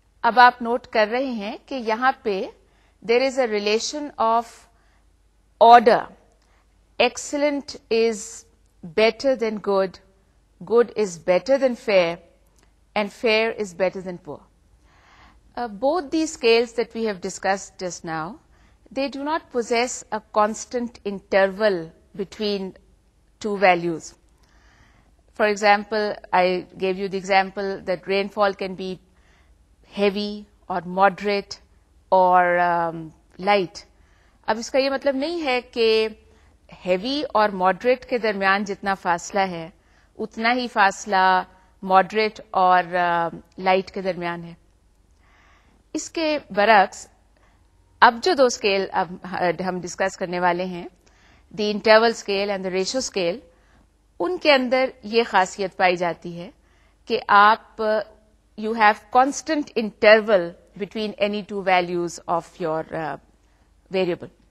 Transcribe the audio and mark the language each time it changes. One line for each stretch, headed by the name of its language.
Urdu: اب آپ نوٹ کر رہے ہیں کہ یہاں پہ
English: there is a relation of order. Excellent is better than good, good is better than fair, and fair is better than poor. Both these scales that we have discussed just now, they do not possess a constant interval between two values. For example, I gave you the example that rainfall can be heavy or moderate or light.
Urdu: اب اس کا یہ مطلب نہیں ہے کہ heavy اور moderate کے درمیان جتنا فاصلہ ہے اتنا ہی فاصلہ moderate اور light کے درمیان ہے. اس کے برعکس اب جو دو scale اب ہم discuss کرنے والے ہیں,
English: the interval scale and the ratio scale,
Urdu: ان کے اندر یہ خاصیت پائی جاتی ہے کہ آپ
English: you have constant interval between any two values of your variable.